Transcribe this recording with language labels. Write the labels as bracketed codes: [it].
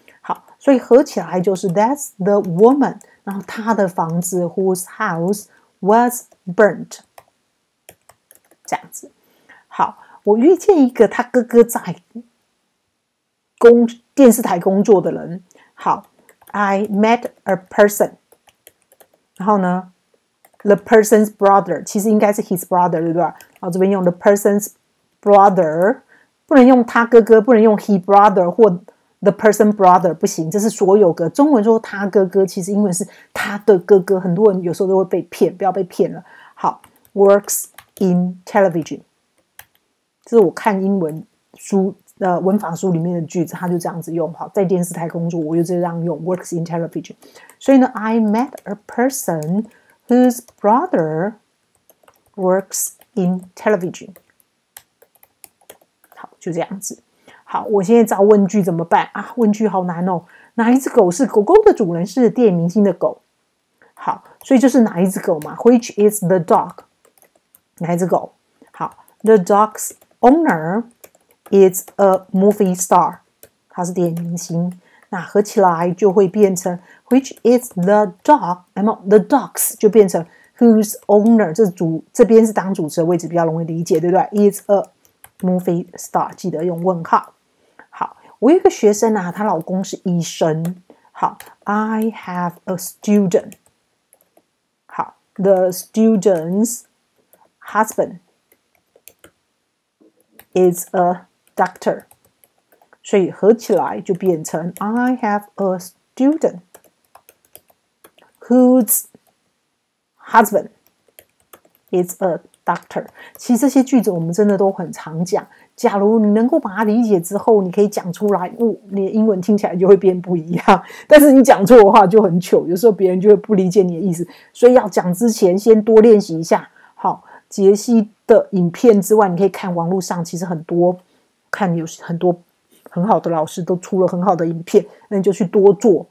[zh] 好，所以合起来就是 [en] that's the woman， [zh] 然后她的房子 [en] whose house was burnt， [zh] 这样子。好，我遇见一个他哥哥在电视台工作的人。 [en] 好 ，I met a person， 然后呢？ The person's brother， [zh] 其实应该是 [en] his brother， 对不对？ [zh] 然后这边用 the person's brother， 不能用他哥哥，不能用 he brother 或 the person brother， 不行，这是所有格。中文说他哥哥，其实英文是他的哥哥。很多人有时候都会被骗，不要被骗了。好 ， [en] works in television， [zh] 这是我看英文书文法书里面的句子，他就这样子用。好，在电视台工作，我就这样用 [en] works in television。所以呢 ，I met a person。 Whose brother works in television? [zh] 好，就这样子。好，我现在找问句怎么办啊？问句好难哦。哪一只狗是狗狗的主人是电影明星的狗？好，所以就是哪一只狗嘛 ？ [en] Which is the dog? [zh] 哪一只狗？ [en] 好 ，The dog's owner is a movie star. [zh] 他是电影明星。那合起来就会变成 [en] which is the dog， [zh] the dogs 就变成 whose owner， 这边是当主持的位置，比较容易理解，对不对？ [en] is a movie star， [zh] 记得用问号。好，我有一个学生啊，她老公是医生。 [en] 好， I have a student。好， the student's husband is a doctor， [zh] 所以合起来就变成 [en] I have a student whose husband is a doctor。 [zh] 其实这些句子我们真的都很常讲，假如你能够把它理解之后，你可以讲出来，你的英文听起来就会变不一样。但是你讲错的话就很糗，有时候别人就会不理解你的意思，所以要讲之前先多练习一下。好，杰西的影片之外，你可以看网络上其实很多，看有很多很好的老师都出了很好的影片，那你就去多做。